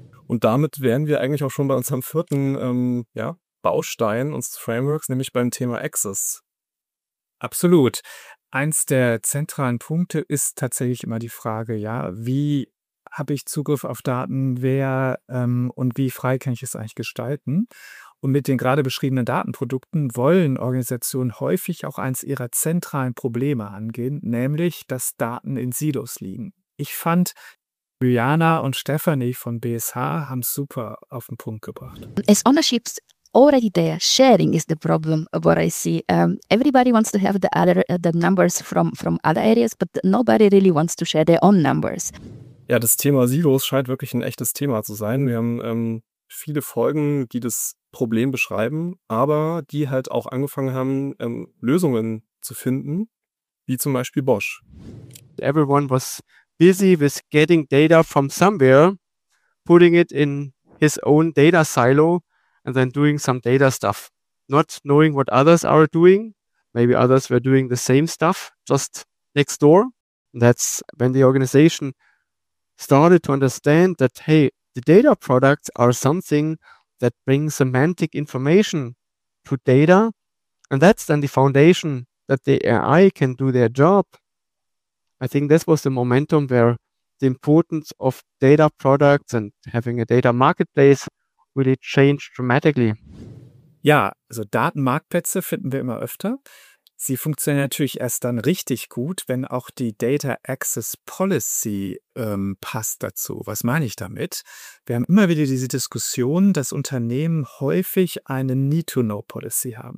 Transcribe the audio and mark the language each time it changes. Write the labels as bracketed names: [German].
[German] Und damit wären wir eigentlich auch schon bei unserem vierten Baustein unseres Frameworks, nämlich beim Thema Access. Absolut. eins der zentralen Punkte ist tatsächlich immer die Frage, ja, wie habe ich Zugriff auf Daten, wer und wie frei kann ich es eigentlich gestalten? Und mit den gerade beschriebenen Datenprodukten wollen Organisationen häufig auch eins ihrer zentralen Probleme angehen, nämlich, dass Daten in Silos liegen. Ich fand, Juliana und Stephanie von BSH haben es super auf den Punkt gebracht. [English] As ownership is already there, sharing is the problem, what I see. Everybody wants to have the numbers from other areas, but nobody really wants to share their own numbers. [German] Ja, das Thema Silos scheint wirklich ein echtes Thema zu sein. Wir haben viele Folgen, die das Problem beschreiben, aber die halt auch angefangen haben, Lösungen zu finden, wie zum Beispiel Bosch. [English] Everyone was busy with getting data from somewhere, putting it in his own data silo and then doing some data stuff. Not knowing what others are doing. Maybe others were doing the same stuff just next door. That's when the organization started to understand that, hey, the data products are something that brings semantic information to data. And that's then the foundation that the AI can do their job. I think this was the momentum where the importance of data products and having a data marketplace really changed dramatically. [German] Ja, also Datenmarktplätze finden wir immer öfter. Sie funktionieren natürlich erst dann richtig gut, wenn auch die Data Access Policy passt dazu. Was meine ich damit? Wir haben immer wieder diese Diskussion, dass Unternehmen häufig eine Need-to-Know-Policy haben.